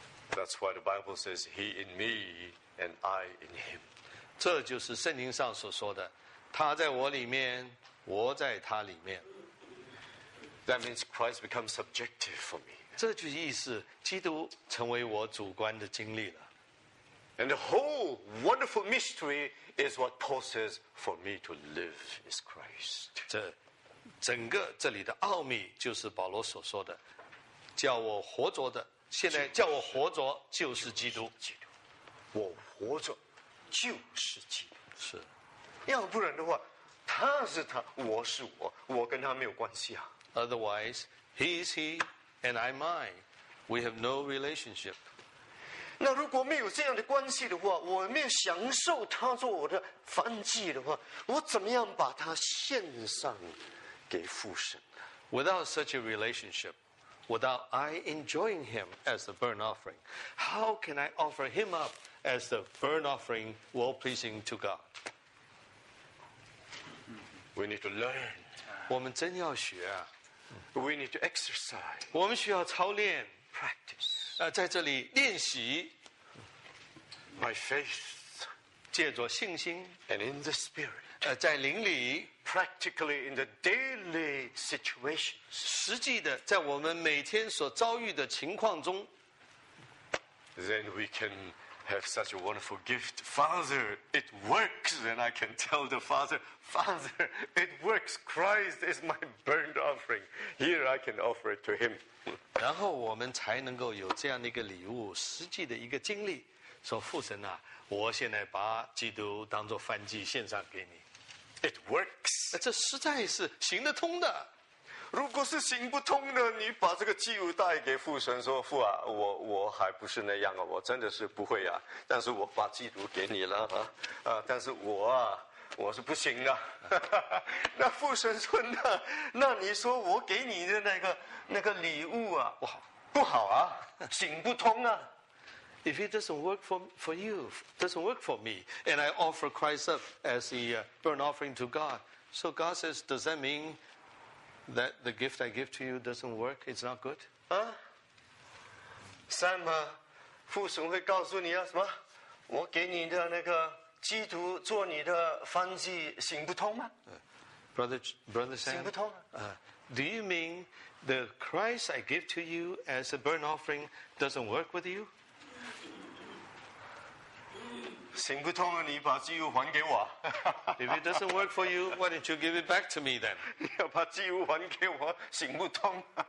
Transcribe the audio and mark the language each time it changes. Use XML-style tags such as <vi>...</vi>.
<en>That's why the Bible says he in me and I in him。</en> <zh>这就是圣经上所说的。他在我里面，我在他里面。</zh> <en>That means Christ becomes subjective for me.</en> <zh>这句意思，基督成为我主观的经历了。</zh> <en>And the whole wonderful mystery is what Paul says for me to live is Christ.</en> <zh>这整个这里的奥秘就是保罗所说的，叫我活着的，现在叫我活着就是基督。基督，我活着就是基督。是。要不然的话，他是他，我是我，我跟他没有关系啊。</zh> <en>Otherwise, he is he, and I'm I. We have no relationship.</en> <zh>那如果没有这样的关系的话，我没有享受他做我的燔祭的话，我怎么样把他献上给父神</zh> <en>？Without such a relationship, without I enjoying him as the burnt offering, how can I offer him up as the burnt offering, well pleasing to God? We need to learn.</en> <zh>我们真要学啊。</zh> <en>We need to exercise.</en> <zh>我们需要操练。</zh> <en>Practice.</en> <zh>在这里练习。</zh> <en>By faith.</en> <zh>借着信心。</zh> <en>And in the spirit.</en> <zh>在灵里。</zh> <en>Practically in the daily situations.</en> <zh>实际的在我们每天所遭遇的情况中。</zh> <en>Then we can... Have such a wonderful gift, Father. It works, and I can tell the Father, Father, it works. Christ is my burnt offering. Here I can offer it to Him.</en> <zh>然后我们才能够有这样的一个礼物，实际的一个经历，说父神啊，我现在把基督当作燔祭献上给你。</zh> <en>It works.</en> <zh>这实在是行得通的。如果是行不通的，你把这个祭物带给父神，说父啊，我还不是那样啊，我真的是不会啊。但是我把祭物给你了啊，但是我是不行的。那父神说那你说我给你的那个礼物啊，不好啊，行不通啊。</zh> <en>If it doesn't work for you, doesn't work for me, and I offer Christ up as a burnt offering to God, so God says, does that mean? That the gift I give to you doesn't work, it's not good.</en> <zh>Ah, Sam, 父神会告诉你啊什么？我给你的那个基督做你的燔祭行不通吗</zh> <en>？Brother Sam,</en> <zh>行不通。</zh> <en>Do you mean the Christ I give to you as a burnt offering doesn't work with you?</en> <zh>行不通了，你把祭物还给我。</zh> <en>If it doesn't work for you, why don't you give it back to me then?</en> <zh>你要把祭物还给我，行不通。</zh>